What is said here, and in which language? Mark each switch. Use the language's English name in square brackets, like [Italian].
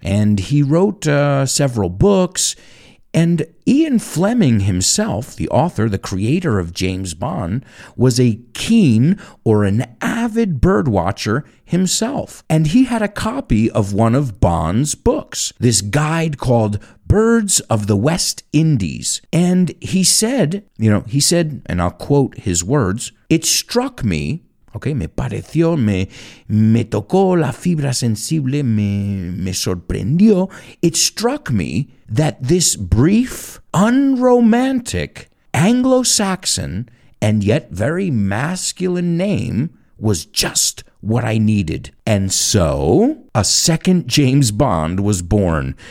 [English] And he wrote several books. And Ian Fleming himself, the author, the creator of James Bond, was a keen or an avid bird watcher himself. And he had a copy of one of Bond's books, this guide called Birds of the West Indies. And he said, you know, he said, and I'll quote his words, "It struck me." [Spanish] Okay, me pareció, me tocó la fibra sensible, me sorprendió. [English] It struck me that this brief, unromantic, Anglo-Saxon, and yet very masculine name was just what I needed. And so, a second James Bond was born.